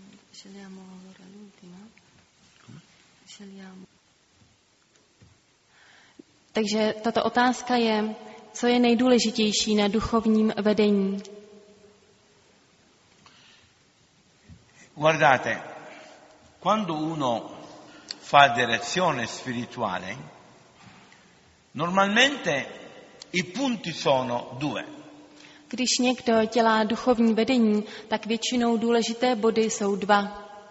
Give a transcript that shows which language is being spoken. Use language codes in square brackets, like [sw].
[it] Scegliamo allora l'ultima. Scegliamo. [cs] Takže tato otázka je, co je nejdůležitější na duchovním vedení. [it] Guardate, quando uno fa direzione spirituale, normalmente i punti sono due. [cs] Když někdo dělá duchovní vedení, tak většinou důležité body jsou dva.